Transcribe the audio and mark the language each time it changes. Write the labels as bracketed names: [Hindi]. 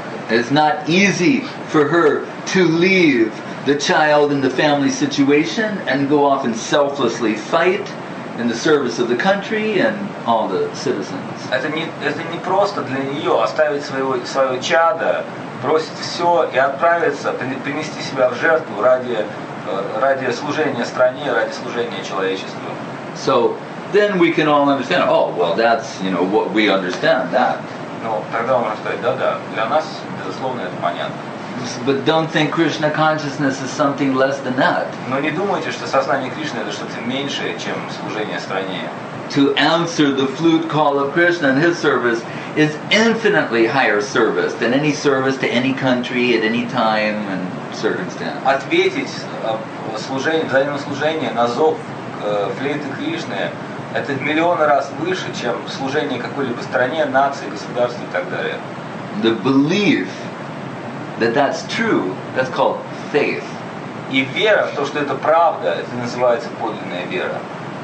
[English] It's not easy for her to leave the child in the family situation and go off and selflessly fight in the service of the country and all the citizens. [Russian] Это не просто для нее оставить своего чада, бросить все и отправиться, принести себя в жертву ради служения стране, ради служения человечеству. [English] So then we can all understand, oh, well, that's, you know, what we understand, that. [Russian] Ну, тогда можно сказать, да-да, для нас, безусловно, это понятно. [English] But don't think Krishna consciousness is something less than that. [Russian] Но не думайте, что сознание Кришны это что-то меньшее, чем служение стране. [English] To answer the flute call of Krishna and his service is infinitely higher service than any service to any country at any time and circumstance. [Russian] Ответить взаимное служение на зов флейты Кришны это в миллионы раз выше, чем служение какой-либо стране, нации, государству и так далее. [English] The belief that that's true, that's called faith. [Russian] И вера в то, что это правда, это называется подлинная вера.